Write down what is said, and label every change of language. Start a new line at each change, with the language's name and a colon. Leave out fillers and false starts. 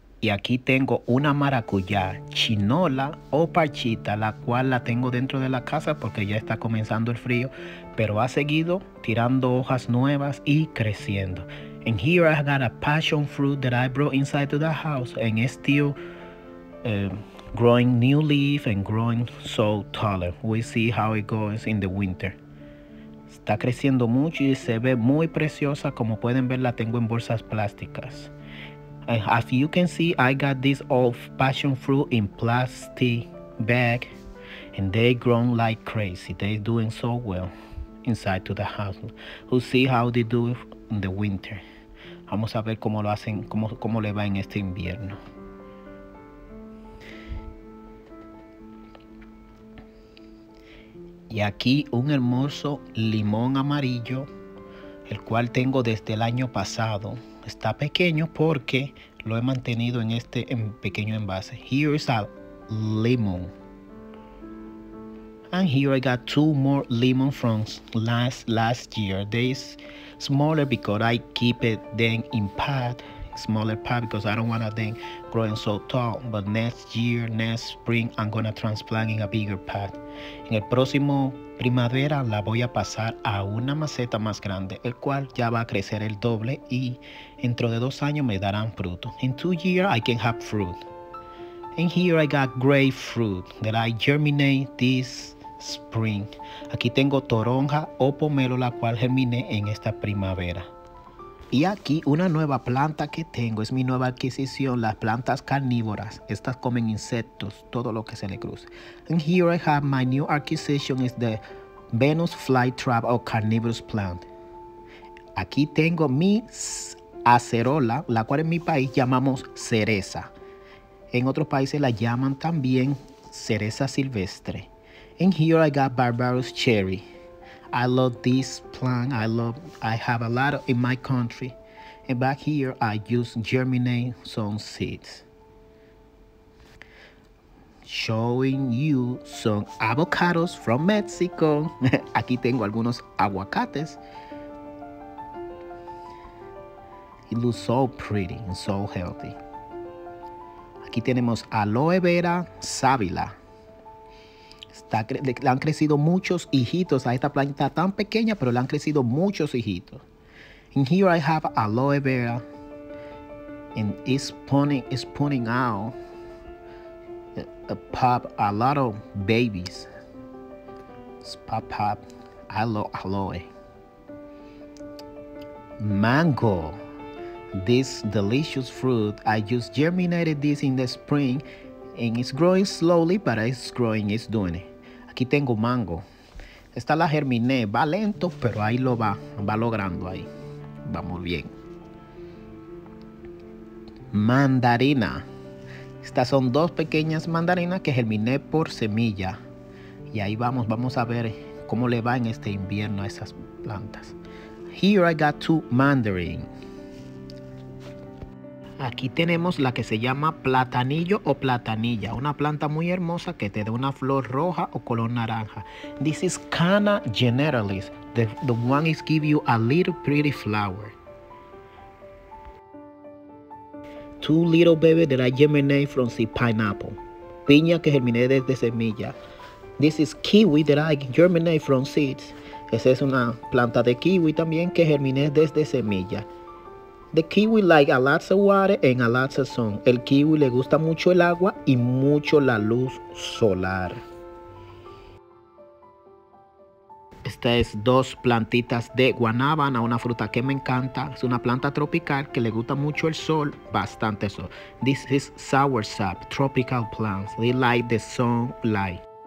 Spanish: Y aquí tengo una maracuyá chinola o parchita, la cual la tengo dentro de la casa porque ya está comenzando el frío, pero ha seguido tirando hojas nuevas y creciendo.
English: And here I got a passion fruit that I brought inside to the house and it's still growing new leaf and growing so taller. We'll see how it goes in the winter.
Spanish: Está creciendo mucho y se ve muy preciosa. Como pueden ver, la tengo en bolsas plásticas.
English: As you can see, I got this old passion fruit in plastic bag and they grown like crazy. They doing so well inside to the house. We'll see how they do in the winter.
Spanish: Vamos a ver cómo lo hacen, cómo le va en este invierno. Y aquí un hermoso limón amarillo, el cual tengo desde el año pasado. Está pequeño porque lo he mantenido en este pequeño envase.
English: Here is a lemon. And here I got two more lemons from last year. They is smaller because I keep it then in pad. Smaller pad because I don't want them growing so tall. But next year, next spring, I'm gonna transplant in a bigger pad.
Spanish: En el próximo primavera la voy a pasar a una maceta más grande, el cual ya va a crecer el doble y dentro de 2 años me darán fruto.
English: In 2 years I can have fruit. And here I got grapefruit that I germinate this spring.
Spanish: Aquí tengo toronja o pomelo, la cual germiné en esta primavera. Y aquí una nueva planta que tengo, es mi nueva adquisición, las plantas carnívoras. Estas comen insectos, todo lo que se le cruce.
English: And here I have my new acquisition, is the Venus flytrap or carnivorous plant.
Spanish: Aquí tengo mi acerola, la cual en mi país llamamos cereza. En otros países la llaman también cereza silvestre.
English: And here I got Barbarous cherry. I love this plant. I have a lot in my country. And back here, I use germinate some seeds. Showing you some avocados from Mexico.
Spanish: Aquí tengo algunos aguacates.
English: It looks so pretty and so healthy.
Spanish: Aquí tenemos aloe vera sábila. Le han crecido muchos hijitos a esta planta tan pequeña, pero le han crecido muchos hijitos.
English: And here I have aloe vera. And it's putting out a lot of babies. It's pop. I love aloe. Mango. This delicious fruit. I just germinated this in the spring. And it's growing slowly, but it's growing. It's doing it.
Spanish: Aquí tengo mango. Esta la germiné. Va lento, pero ahí lo va. Va logrando ahí. Vamos bien. Mandarina. Estas son dos pequeñas mandarinas que germiné por semilla. Y ahí vamos. Vamos a ver cómo le va en este invierno a esas plantas.
English: Here I got two mandarin.
Spanish: Aquí tenemos la que se llama platanillo o platanilla, una planta muy hermosa que te da una flor roja o color naranja.
English: This is Canna generalis. The one is give you a little pretty flower. Two little babies that I germinated from the pineapple.
Spanish: Piña que germiné desde semilla.
English: This is kiwi that I germinated from seeds.
Spanish: Esa es una planta de kiwi también que germiné desde semilla.
English: The kiwi like a lot of water and a lot of sun.
Spanish: El kiwi le gusta mucho el agua y mucho la luz solar. Esta es dos plantitas de guanábana, una fruta que me encanta. Es una planta tropical que le gusta mucho el sol, bastante sol.
English: This is soursop, tropical plants. They like the sunlight.